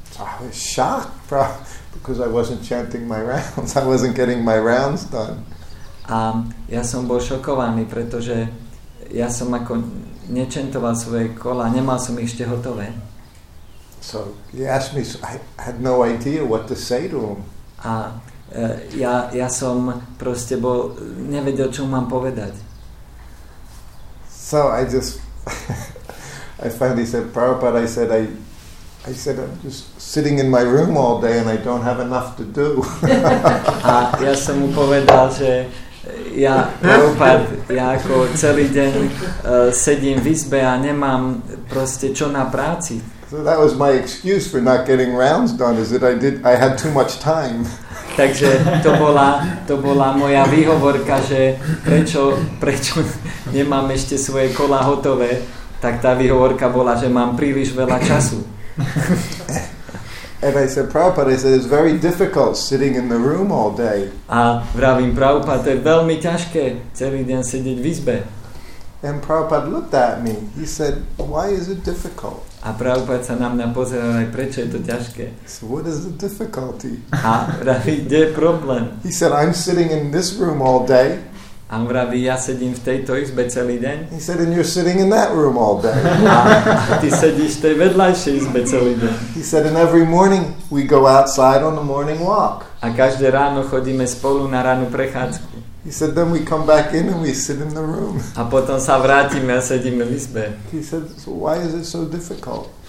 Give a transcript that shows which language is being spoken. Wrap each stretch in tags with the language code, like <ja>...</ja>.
<en>I was shocked, because I wasn't chanting my rounds. I wasn't getting my rounds done.</en> <sk>A ja som bol šokovaný, pretože ja som ako nečentoval svoje kola, nemal som ich ešte hotové.</sk> <en>So he asked me, so I had no idea what to say to him.</en> <sk>A ja som proste bol, nevedel, čo mám povedať.</sk> <en>So I just, I finally said, Prabhupada, I said, I'm just sitting in my room all day and I don't have enough to do.</en> <sk>A ja som mu povedal, že ja, Prabhupada, ja ako celý deň sedím v izbe a nemám proste čo na práci.</sk> <en>So that was my excuse for not getting rounds done, is that I had too much time.</en> <sk>Takže to bola moja výhovorka, že prečo nemám ešte svoje kola hotové, tak tá výhovorka bola, že mám príliš veľa času.</sk> <en>And I said, Prabhupada, I said, it's very difficult sitting in the room all day.</en> <sk>A vravím, Prabhupada, to je veľmi ťažké celý deň sedieť v izbe.</sk> <en>And Prabhupada looked at me. He said, why is it difficult?</en> <sk>A Prabhupada sa na mňa pozeral, aj prečo je to ťažké.</sk> <en>So what is the difficulty?</en> <sk>A vraví, kde je problém?</sk> <en>He said, I'm sitting in this room all day.</en> <sk>A vraví, ja sedím v tejto izbe celý deň.</sk> <en>He said, and you're sitting in that room all day.</en> <sk>A ty sedíš v tej vedľajšej izbe celý deň.</sk> <en>He said, and every morning we go outside on a morning walk.</en> <sk>A každé ráno chodíme spolu na ranú prechádzku.</sk> <en>He said, then we come back in and we sit in the room.</en> <sk>A potom sa vrátime a sedíme v izbe.</sk> <en>He said, so why is it so difficult?</en>